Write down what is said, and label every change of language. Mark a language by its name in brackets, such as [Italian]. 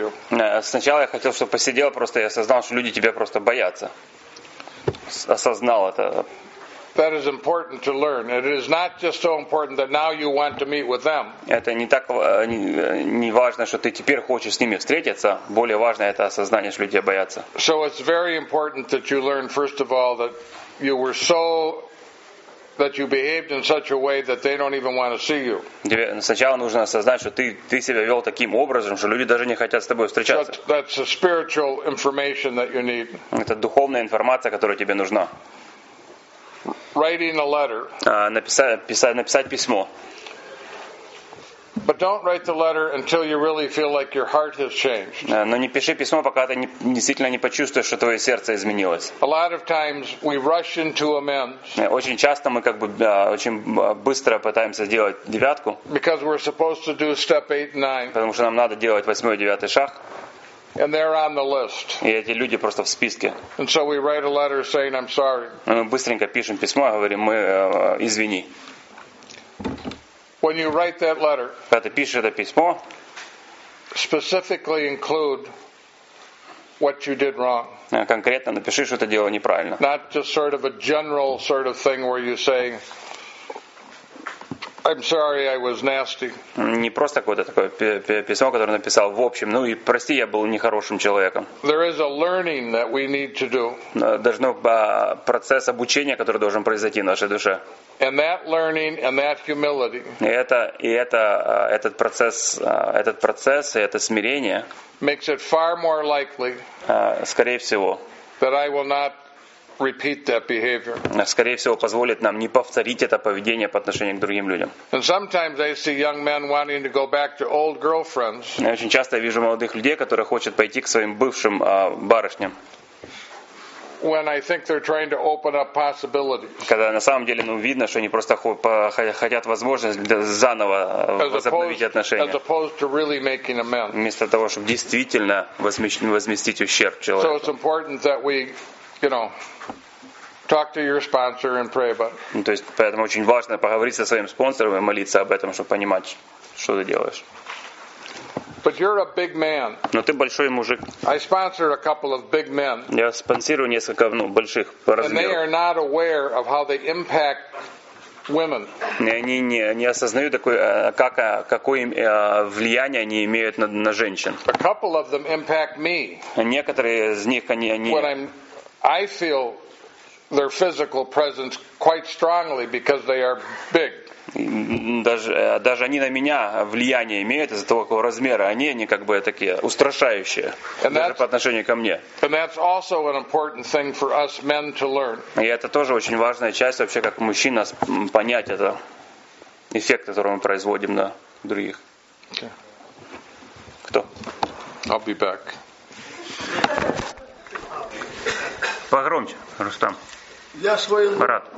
[Russian] Well, сначала я хотел, чтобы посидел, просто я осознал, что люди тебя просто боятся. Осознал это. [English] That is important to learn. It is not just so important that now you want to meet with them. [Russian] Это не так не важно, что ты теперь хочешь с ними встретиться. Более важно это осознание, что люди боятся. [English] So it's very important that you learn first of all that you were so that you behaved in such a way that they don't even want to see you. [Russian] Сначала нужно осознать, что ты себя вел таким образом, что люди даже не хотят с тобой встречаться. [English] That's a spiritual information that you need. [Russian] Это духовная информация, которая тебе нужна. [English] Writing a letter. [Russian] Написать письмо. [English] But don't write the letter until you really feel like your heart has changed. [Russian] Но не пиши письмо, пока ты действительно не почувствуешь, что твое сердце изменилось. [English] A lot of times we rush into amends. [Russian] Очень часто мы как бы очень быстро пытаемся сделать девятку. [English] Because we're supposed to do step 8 and 9. [Russian] Потому что нам надо делать восьмой и девятый шаг. [English] And they're on the list. [Russian] И эти люди просто в списке. [English] And so we write a letter saying I'm sorry. [Russian] Мы быстренько пишем письмо, говорим, мы извини. [English] When you write that letter, [Russian] когда ты пишешь это письмо, [English] specifically include what you did wrong. [Russian] Конкретно напиши, что ты делал неправильно. [English] Not just sort of a general sort of thing where you say I'm sorry, I was nasty. [Russian] Не просто какое-то такое письмо, которое написал в общем. Ну и прости, я был нехорошим человеком. [English] There is a learning that we need to do. [Russian] Должно процесс обучения, который должен произойти в нашей душе. [English] And that learning and that humility. [Russian] Этот процесс и это смирение. [English] Makes it far more likely. [Russian] Скорее всего. [English] That I will not repeat that behavior. [Russian] Скорее всего, позволит нам не повторить это поведение по отношению к другим людям. [English] And sometimes I see young men wanting to go back to old girlfriends. [Russian] Я очень часто вижу молодых людей, которые хотят пойти к своим бывшим барышням. [English] When I think they're trying to open up possibilities. [Russian] Когда на самом деле, ну, видно, что они просто хотят возможность заново возобновить отношения. [English] As opposed to really making amends. [Russian] Вместо того, чтобы действительно возместить ущерб человеку. [English] So it's important that we, you know, talk to your sponsor and pray about it. [Russian] То есть поэтому очень важно поговорить со своим спонсором и молиться об этом, чтобы понимать, что ты делаешь. [English] But you're a big man. [Russian] Но ты большой мужик. [English] I sponsor a couple of big men. [Russian] Я спонсирую несколько, ну, больших по размеру. [English] And they are not aware of how they impact women. [Russian] И они не осознают такое, какое влияние они имеют на женщин. [English] A couple of them impact me. [Russian] Некоторые из них они. [English] When I feel their physical presence quite strongly because they are big. [Russian] Даже они на меня влияние имеют из-за того, какого размера они как бы такие устрашающие, даже по отношению ко мне. [English] And that's also an important thing for us men to learn. [Russian] И это тоже очень важная часть вообще, как мужчина, понять это эффект, который мы производим на других. [English] Okay. Кто? I'll be back. [Russian] Погромче, Рустам. Я своим Брат.